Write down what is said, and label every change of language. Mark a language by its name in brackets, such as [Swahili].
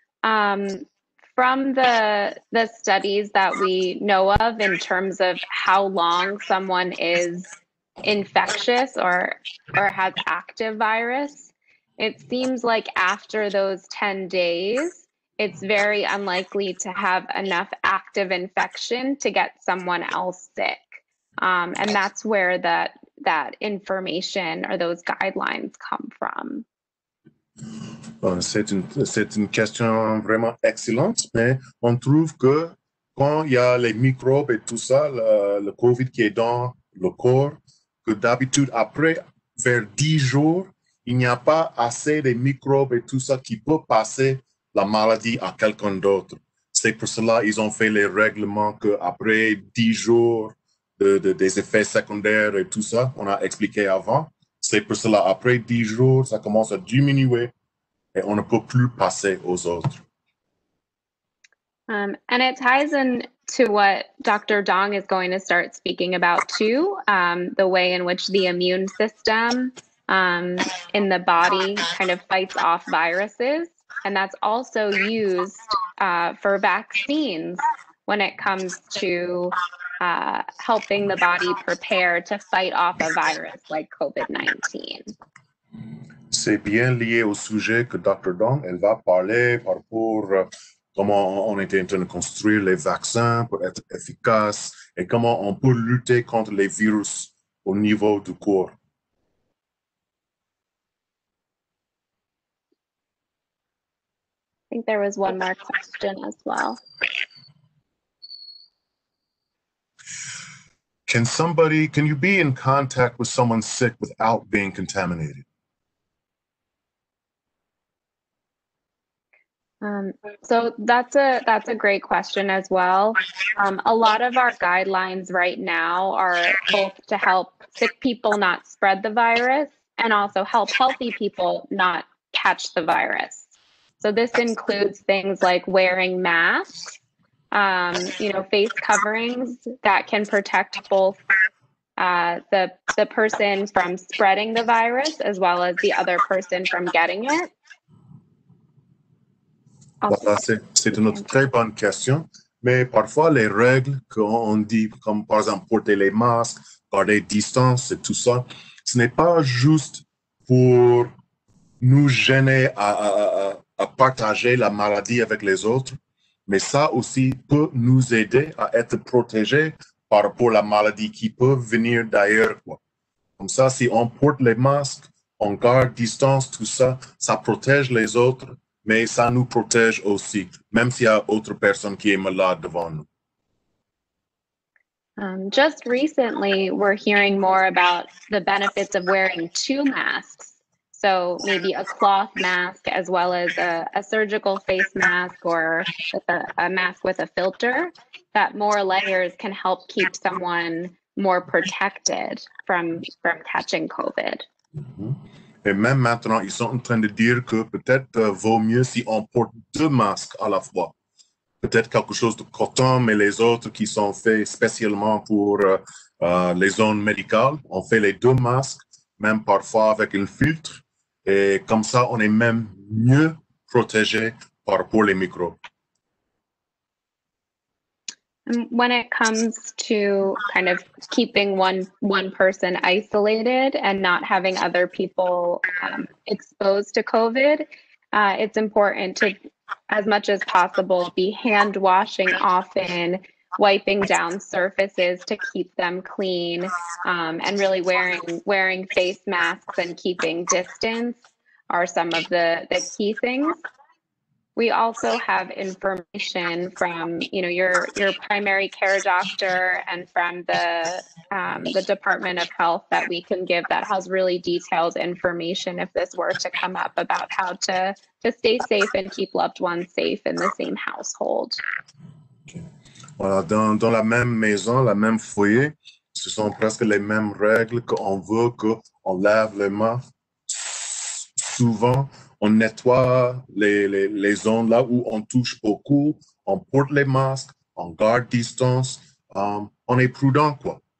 [English] From the studies that we know of in terms of how long someone is infectious or has active virus, it seems like after those 10 days, it's very unlikely to have enough active infection to get someone else sick. And that's where that information or those guidelines come from. [French] C'est une question vraiment excellente, mais on trouve que quand il y a les microbes et tout ça, le COVID qui est dans le corps, que d'habitude après vers 10 jours, il n'y a pas assez de microbes et tout ça qui peut passer la maladie à quelqu'un d'autre. C'est pour cela qu'ils ont fait les règlements qu'après 10 jours des effets secondaires et tout ça, on a expliqué avant. C'est pour cela, après 10 jours, ça commence à diminuer et on ne peut plus passer aux autres. [English] And it ties in to what Dr. Dong is going to start speaking about too, the way in which the immune system in the body kind of fights off viruses. And that's also used for vaccines when it comes to helping the body prepare to fight off a virus like COVID-19. [French] C'est bien lié au sujet que Dr. Dong, elle va parler par rapport à comment on était en train de construire les vaccins pour être efficaces et comment on peut lutter contre les virus au niveau du corps. [English] I think there was one more question as well. Can you be in contact with someone sick without being contaminated? So that's a great question as well. A lot of our guidelines right now are both to help sick people not spread the virus and also help healthy people not catch the virus. So this includes things like wearing masks, face coverings that can protect both the person from spreading the virus as well as the other person from getting it. [French] Voilà, c'est une autre très bonne question. Mais parfois les règles qu'on dit, comme par exemple porter les masques, garder distance et tout ça, ce n'est pas juste pour nous gêner à partager la maladie avec les autres. Mais ça aussi peut nous aider à être protégés par rapport à la maladie qui peut venir d'ailleurs. Comme ça, si on porte les masques, on garde distance, tout ça, ça protège les autres, mais ça nous protège aussi, même s'il y a autre personne qui est malade devant nous. [English] Just recently, we're hearing more about the benefits of wearing two masks. So maybe a cloth mask as well as a surgical face mask or a mask with a filter, that more layers can help keep someone more protected from catching COVID. [French] Et même maintenant, ils sont en train de dire que peut-être vaut mieux si on porte deux masques à la fois. Peut-être quelque chose de coton, mais les autres qui sont faits spécialement pour les zones médicales, on fait les deux masques, même parfois avec un filtre, et comme ça, on est même mieux protégé par rapport aux microbes. [English] When it comes to kind of keeping one person isolated and not having other people exposed to COVID, it's important to, as much as possible, be hand washing often, wiping down surfaces to keep them clean, and really wearing face masks and keeping distance are some of the key things. We also have information from, you know, your primary care doctor and from the Department of Health that we can give that has really detailed information if this were to come up about how to stay safe and keep loved ones safe in the same household. Okay. [French] Voilà, dans la même maison, la même foyer, ce sont presque les mêmes règles qu'on veut qu'on lave les mains souvent. On nettoie les zones là où on touche beaucoup, on porte les masques, on garde distance, on est prudent, quoi.